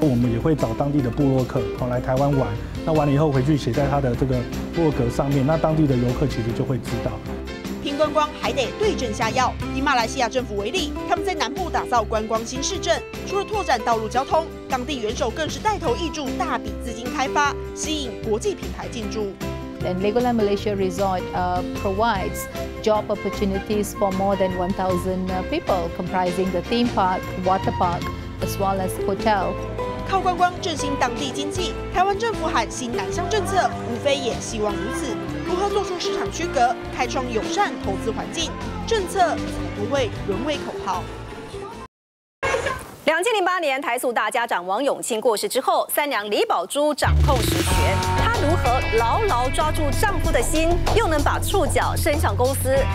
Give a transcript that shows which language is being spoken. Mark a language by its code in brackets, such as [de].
[zh] 我们也会找当地的部落客来台湾玩，那完了以后回去写在他的这个部落格上面，那当地的游客其实就会知道。拼观光还得对症下药。以马来西亚政府为例，他们在南部打造观光新市镇，除了拓展道路交通，当地元首更是带头挹注大笔资金开发，吸引国际品牌进驻。 [en] And Legoland Malaysia Resort provides job opportunities for more than 1,000 people, comprising the theme park, water park, as well as hotel. [zh] 靠观光振兴当地经济，台湾政府喊新南向政策，无非也希望如此。如何做出市场区隔，开创友善投资环境，政策才不会沦为口号。 2008年台塑大家长王永庆过世之后，三娘李宝珠掌控实权，她如何牢牢抓住丈夫的心，又能把触角伸向公司？